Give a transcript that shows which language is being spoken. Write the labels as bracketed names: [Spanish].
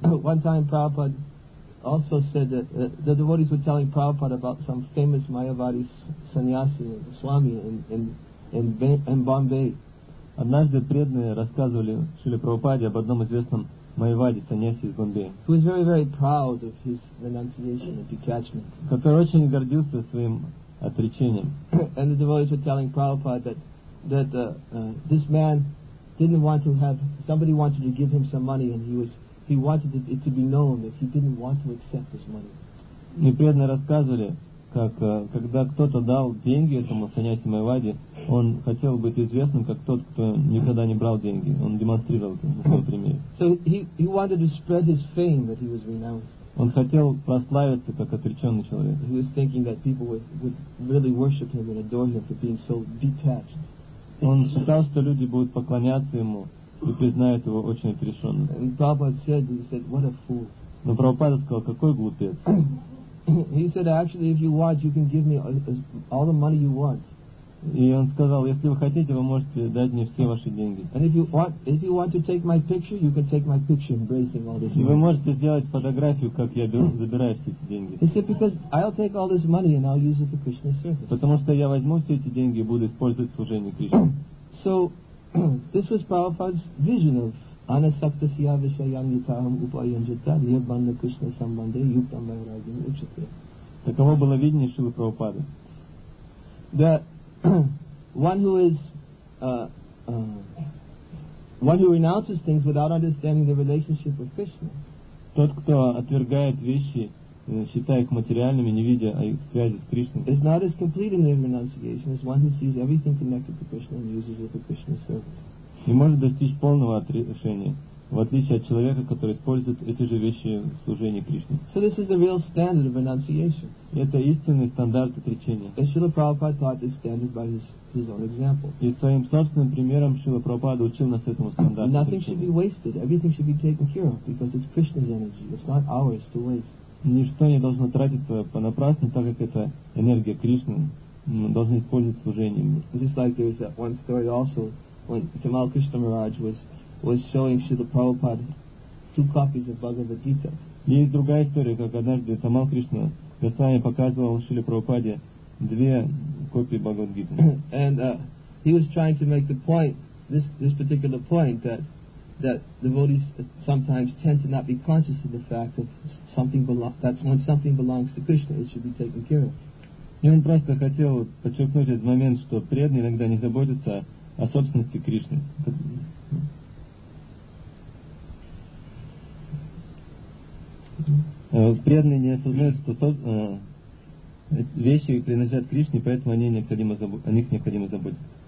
[English] One time Prabhupada also said that the devotees were telling Prabhupada about some famous Mayavadi sannyasi, swami in Bombay. [Russian] Однажды преданные рассказывали Шриле Прабхупаде об одном известном Майавади саньяси из Бомбея. [English] Who was very, very proud of his renunciation and detachment. [Russian] Который очень гордился своим отречением. [English] And the devotees were telling Prabhupada that this man didn't want to have, somebody wanted to give him some money and he wanted it to be known that he didn't want to accept this money. [Russian] И преданные рассказывали, как когда кто-то дал деньги этому саньяси Майавади, он хотел быть известным как тот, кто никогда не брал деньги. Он демонстрировал это на своем примере. [English] So he wanted to spread his fame that he was renounced. [Russian] Он хотел прославиться как отреченный человек. [English] He was thinking that people would really worship him and adore him for being so detached. [Russian] Он считал, что люди будут поклоняться ему и признает его очень отрешенным. [English] Said, what a fool. [Russian] Но Прабхупада сказал, какой глупец. [English] He said, actually, if you want, you can give me all the money you want. [Russian] И он сказал, если вы хотите, вы можете дать мне все ваши деньги. [English] And if you want to take my picture, you can take my picture embracing all this money. [Russian] И вы можете сделать фотографию, как я забираю все эти деньги. [English] He said, because I'll take all this money and I'll use it for Krishna's service. [Russian] Потому что я возьму все эти деньги и буду использовать служение Кришне. [English] So this was Prabhupada's vision of [Sanskrit] anasaktasya visayam yutaham upayanjata yabanda krishna sambandhe yuktam vairagyam uchate. [Russian] Таково было видение Шрилы Прабхупады. [English] That one who renounces things without understanding the relationship with Krishna. [Russian] Тот, кто отвергает вещи, считая их материальными, не видя их связи с Кришной. [English] It's not as complete in the renunciation as one who sees everything connected to Krishna and uses it for Krishna's service. [Russian] Не может достичь полного отрешения, в отличие от человека, который использует эти же вещи в служении Кришне. [English] So this is the real standard of renunciation. [Russian] Это истинный стандарт отречения. [English] And Srila Prabhupada taught this standard by his own example. [Russian] И своим собственным примером Шрила Прабхупада учил нас этому стандарту. [English] Nothing [Russian] отречения. [English] Should be wasted. Everything should be taken care of because it's Krishna's energy. It's not ours to waste. [Russian] Ничто не должно тратиться понапрасну, так как это энергия Кришны. Мы должны использовать служение. [English] Just like there was that one story also, when Tamal Krishna Maharaj was showing Srila Prabhupada two copies of Bhagavad Gita. [Russian] Есть другая история, как однажды Тамал Кришна Госвами показывал Шриле Прабхупаде две копии Бхагавад Гиты. [English] And he was trying to make the point, this particular point, that devotees sometimes tend to not be conscious of the fact that that's when something belongs to Krishna, it should be taken care of. [Russian] И он просто хотел подчеркнуть этот момент, что преданные иногда не заботятся о собственности Кришны. Преданные не осознают, что вещи принадлежат Кришне, поэтому о них необходимо заботиться.